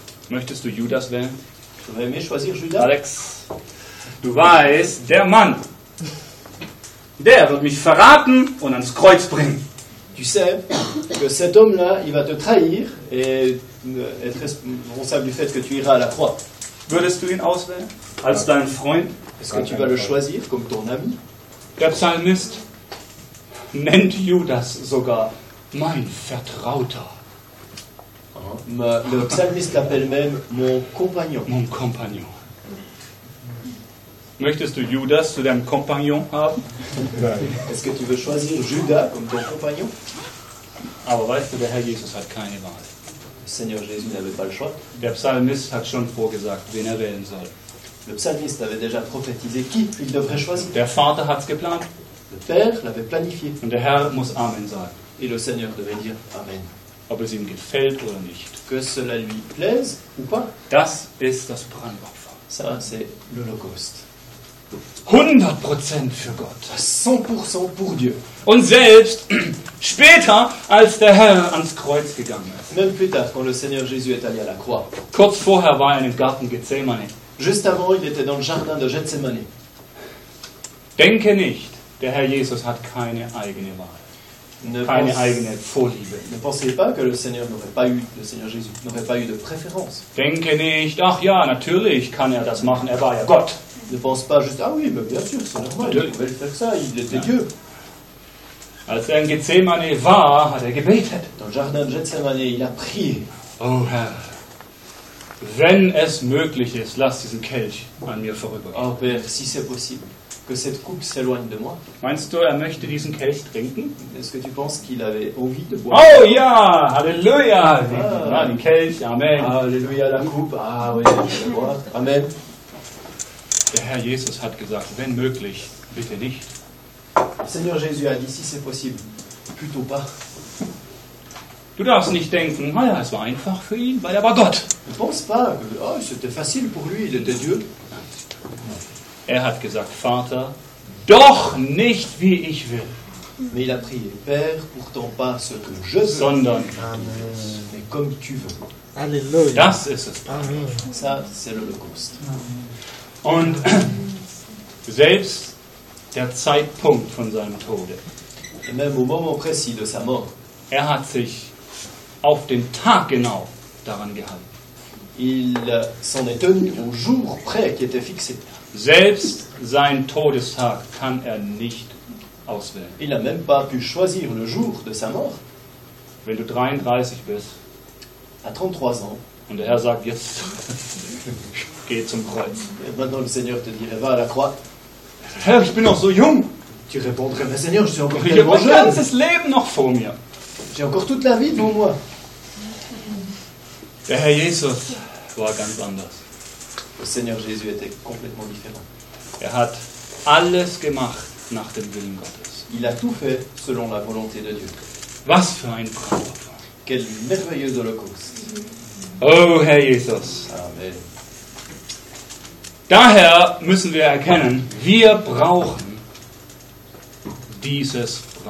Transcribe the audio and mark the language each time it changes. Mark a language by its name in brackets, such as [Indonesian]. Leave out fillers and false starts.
[German] Möchtest du Judas wählen? [French] Tu aurais aimé choisir Judas? [German] Alex, du weißt, der Mann, der wird mich verraten und ans Kreuz bringen. [French] Tu sais que cet homme-là, il va te trahir et être responsable du fait que tu iras à la croix. [German] Würdest du ihn auswählen? Als dein Freund? [French] Est-ce que tu vas le choisir comme ton ami? [German] Der Psalmist nennt Judas sogar mein Vertrauter. [French] Le psalmiste l'appelle même mon compagnon. Mon compagnon. [German] Möchtest du Judas zu deinem Compagnon haben? [French] Est-ce que tu veux choisir Judas comme ton compagnon? [German] Aber weißt du, der Herr Jesus hat keine Wahl. [French] Seigneur Jésus n'avait pas le choix. [German] Der Psalmist hat schon vorgesagt, wen wählen soll. [French] Le psalmiste avait déjà prophétisé qui il devrait choisir. [German] Der Vater hat's geplant. [French] Le Père l'avait planifié. [German] Und der Herr muss Amen sagen. [French] Et le Seigneur devait dire Amen. [German] Ob es ihm gefällt oder nicht. [French] Que cela lui plaise ou pas. [German] Das ist das Brandopfer. [French] Ça, c'est l'Holocauste. [German] 100% für Gott. [French] 100% pour Dieu. [German] Und selbst später, als der Herr ans Kreuz gegangen ist. [French] Même plus tard, quand le Seigneur Jésus est allé à la croix. [German] Kurz vorher war er in den Garten Gethsemane. [French] Juste avant, il était dans le jardin de Gethsemane. [German] Denke nicht, der Herr Jesus hat keine eigene Wahl. Eigene Vorliebe. [French] Ne pensez pas que le Seigneur Jésus n'aurait pas eu de préférence. [German] Denke nicht, ach ja, natürlich kann er das machen, er war ja Gott. [French] Ne pense pas juste, ah oui, mais bien sûr, c'est normal, il pouvait le faire ça, il était Dieu. [German] Als er in Gethsemane war, hat er gebetet. [French] Dans le jardin de Gethsemane, il a prié. [German] Oh Herr, wenn es möglich ist, lass diesen Kelch an mir vorübergehen. [French] Oh Père, si c'est possible, que cette coupe s'éloigne de moi. [German] Meinst du, er möchte diesen Kelch trinken? [French] Est-ce que tu penses qu'il avait envie de boire? [German] Oh ja, Halleluja! Ah, den Kelch, Amen. [French] Halleluja, la coupe, ah oui, je vais boire, Amen. [German] Der Herr Jesus hat gesagt, wenn möglich, bitte nicht. [French] Seigneur Jésus a dit, si c'est possible, plutôt pas. [German] Du darfst nicht denken, naja, es war einfach für ihn, weil er war Gott. [French] Ne pense pas, oh, c'était facile pour lui, il était Dieu. [German] Er hat gesagt, Vater, doch nicht wie ich will. [French] Mais il a prié, Père, pourtant pas ce que je veux, [German] sondern [French] mais comme tu veux. Alléluia. [German] Das ist es. Amen. [French] Ça, c'est l'Holocauste. [German] Und selbst der Zeitpunkt von seinem Tode. [French] Et même au moment précis de sa mort. [German] Er hat sich auf den Tag genau daran gehalten. [French] Il s'en est tenu au jour près qui était fixé. [German] Selbst sein Todestag kann er nicht auswählen. [French] Il a même pas pu choisir le jour de sa mort. [German] Wenn du 33 bist. [French] À 33 ans. [German] Und der Herr sagt jetzt. Geh zum Kreuz. [French] Et maintenant le Seigneur te dirait, va à la croix. [German] Herr, ich bin noch so jung. [French] Tu répondrais, mais Seigneur, je suis encore tellement jeune. J'ai mon [German] ganzes Leben [French] noch vor mir. J'ai encore toute la vie devant moi. [German] Der Herr Jesus war ganz anders. [French] Le Seigneur Jésus était complètement différent. [German] Er hat alles gemacht nach dem Willen Gottes. [French] Il a tout fait selon la volonté de Dieu. [German] Was für ein Brandopfer. [French] Quel merveilleux Holocauste. [German] Oh, Herr Jesus. Amen. Daher müssen wir erkennen, wir brauchen dieses